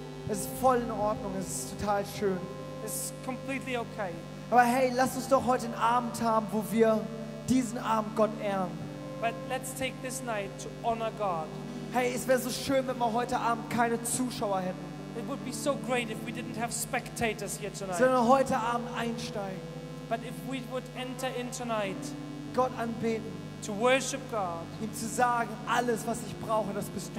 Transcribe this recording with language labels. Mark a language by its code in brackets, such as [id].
[de] Es ist voll in Ordnung, es ist total schön. [en] It's completely okay. [de] Aber hey, lass uns doch heute einen Abend haben, wo wir diesen Abend Gott ehren. [en] But let's take this night to honor God. [de] Hey, es wäre so schön, wenn wir heute Abend keine Zuschauer hätten. [en] It would be so great if we didn't have spectators here tonight. [de] Sondern heute Abend einsteigen. [en] But if we would enter in tonight, [de] Gott anbeten, [en] to worship God, [de] ihm zu sagen, alles, was ich brauche, das bist du,